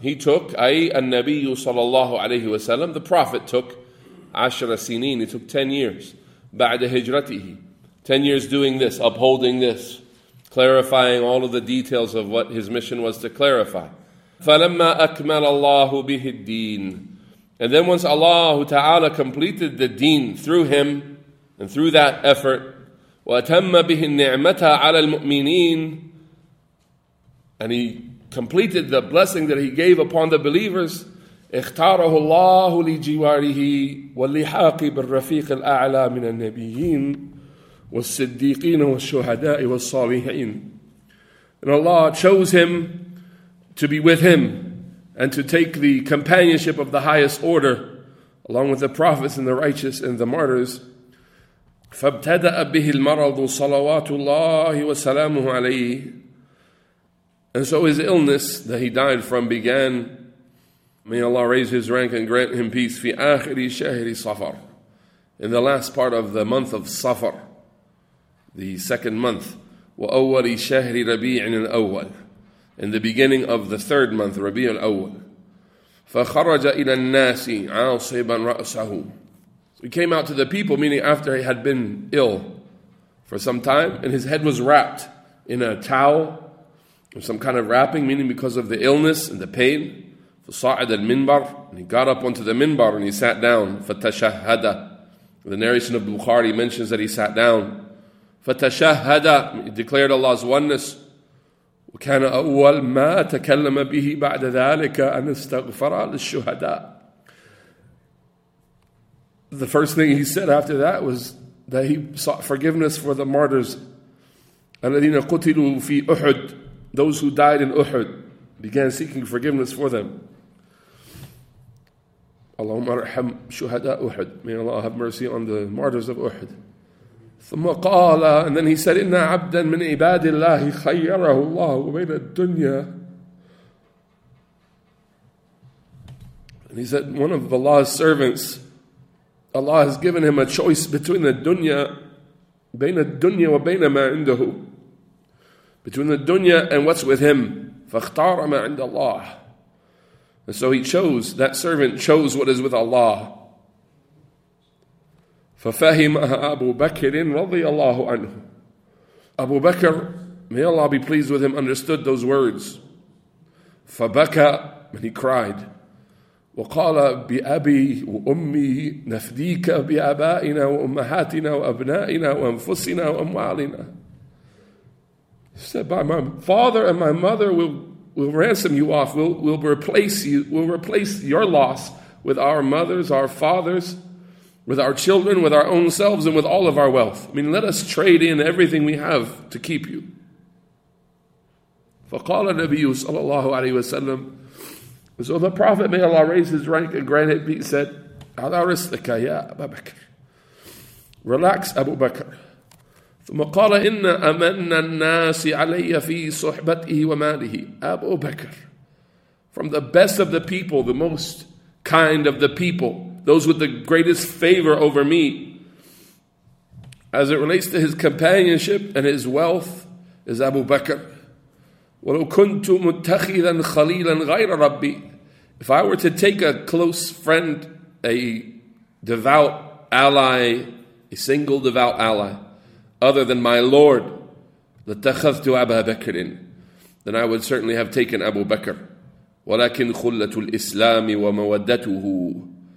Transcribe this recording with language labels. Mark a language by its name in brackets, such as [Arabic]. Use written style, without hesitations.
[English] He took, [Arabic] أي النبي صلى الله عليه وسلم, [English] the Prophet took, [Arabic] عشر سنين, [English] he took 10 years, [Arabic] بعد هجرته, [English] 10 years doing this, upholding this, clarifying all of the details of what his mission was to clarify. [Arabic] فَلَمَّا أَكْمَلَ اللَّهُ بِهِ الدِّينِ. [English] And then once Allah Ta'ala completed the deen through him, and through that effort, [Arabic] وأتم به النعمة على المؤمنين. [English] And he completed the blessing that he gave upon the believers. [Arabic] اختاره الله لجواره واللحاق بالرفيق الأعلى من النبيين والصديقين والشهداء والصالحين. [English] And Allah chose him to be with him and to take the companionship of the highest order, along with the prophets and the righteous and the martyrs. [Arabic] فابتدأ به المرض صلوات الله وسلامه عليه. [English] And so his illness that he died from began. May Allah raise his rank and grant him peace. [Arabic] في آخر شهر صفر. [English] In the last part of the month of Safar, the second month. [Arabic] وأول شهر ربيع الأول. [English] In the beginning of the third month, ربيع الأول. [Arabic] فخرج إلى الناس عاصبا رأسه. [English] He came out to the people, meaning after he had been ill for some time, and his head was wrapped in a towel, or some kind of wrapping, meaning because of the illness and the pain. [Arabic] فصعد المنبر, [English] and he got up onto the minbar and he sat down. [Arabic] فتشهد. [English] The narration of Bukhari mentions that he sat down. [Arabic] فتشهد. [English] He declared Allah's oneness. [Arabic] وكان أول ما تكلم به بعد ذلك أن استغفر للشهداء. [English] The first thing he said after that was that he sought forgiveness for the martyrs. [Arabic] الذين قتلوا في أحد. [English] Those who died in Uhud began seeking forgiveness for them. [Arabic] Allahumma arham shuhada Uhud. [English] May Allah have mercy on the martyrs of Uhud. [Arabic] ثم قال, [English] and then he said, [Arabic] إن عبدا من عباد الله خيره الله بين الدنيا. [English] And he said, one of Allah's servants, Allah has given him a choice between the dunya, [Arabic] بين الدنيا وبين ما عنده, [English] between the dunya and what's with him. [Arabic] فاختار ما عند الله. [English] And so he chose, that servant chose what is with Allah. [Arabic] ففهمها أبو بكر رضي الله عنه. [English] Abu Bakr, may Allah be pleased with him, understood those words. [Arabic] فبكى, [English] and he cried. [Arabic] وقال بأبي وأمي نفديك بأبائنا وأمهاتنا وأبنائنا وأنفسنا وأموالنا. [English] He said, by my father and my mother, we'll ransom you off. We'll replace you. We'll replace your loss with our mothers, our fathers, with our children, with our own selves, and with all of our wealth. I mean, let us trade in everything we have to keep you. [Arabic] فقال النبي صلى الله عليه وسلم. [English] So the Prophet, may Allah raise his rank and grant him peace, said, [Arabic] على رسلك يا أبو بكر. [English] Relax, Abu Bakr. [Arabic] ثم قال إن أمن الناس علي في صحبته وماله أبو بكر. [English] From the best of the people, the most kind of the people, those with the greatest favor over me, as it relates to his companionship and his wealth, is Abu Bakr. [Arabic] ولو كنت متخذا خليلا غير ربي. [English] If I were to take a close friend, a devout ally, a single devout ally, other than my Lord, [Arabic] لَتَخَذْتُ أَبَا بَكْرٍ, [English] then I would certainly have taken Abu Bakr. [Arabic] وَلَكِنْ خُلَّةُ الْإِسْلَامِ وَمَوَدَّتُهُ.